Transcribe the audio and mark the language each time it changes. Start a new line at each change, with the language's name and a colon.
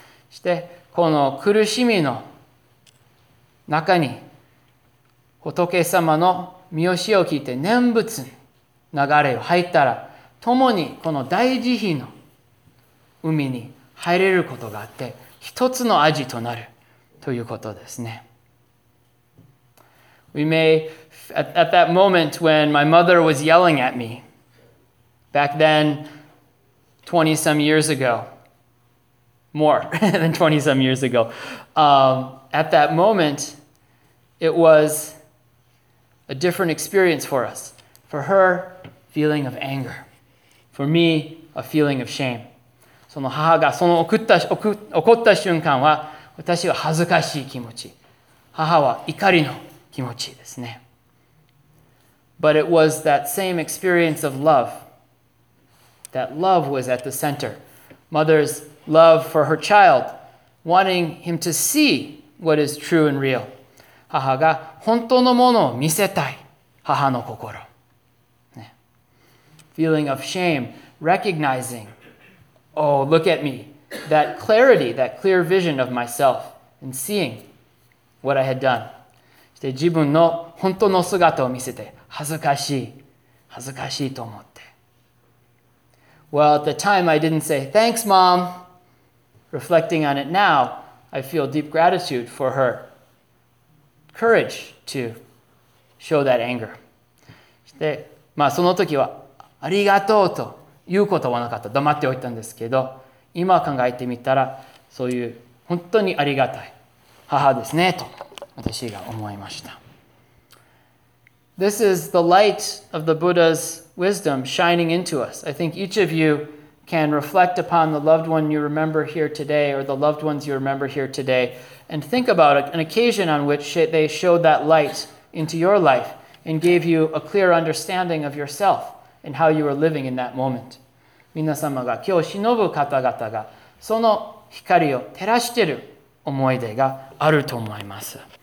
Japanese: そしてこの苦しみの中に仏様の御教えを聞いて念仏流れを入ったら共にこの大慈悲の海に入れることがあって一つの味となるということですね。
English: We may, at that moment when my mother was yelling at me, back then, 20 some years ago, more than 20 some years ago, at that moment,It was a different experience for us. For her, feeling of anger. For me, a feeling of shame.
Japanese: その母がその怒った瞬間は、私は恥ずかしい気持ち。母は怒りの気持ちですね。
English: But it was that same experience of love. That love was at the center. Mother's love for her child, wanting him to see what is true and real.
Japanese: 母が本当のものを見せたい。母の心。ね、
English: feeling of shame, recognizing, oh, look at me. That clarity, that clear vision of myself and seeing what I had done.
Japanese: そして自分の本当の姿を見せて、恥ずかしい、恥ずかしいと思って。
English: Well, at the time I didn't say, thanks, Mom. Reflecting on it now, I feel deep gratitude for her courage to show that anger.
Japanese: で、まあその時はありがとうと言うことはなかった。黙っておいたんですけど、今考えてみたら、そういう本当にありがたい母ですねと私が思いました。
English: This is the light of the Buddha's wisdom shining into us. I think each of you can reflect upon the loved one you remember here today or the loved ones you remember here today and think about an occasion on which they showed that light into your life and gave you a clear understanding of yourself and how you were living in that moment.
Japanese: 皆様が今日偲ぶ方々がその光を照らしている思い出があると思います。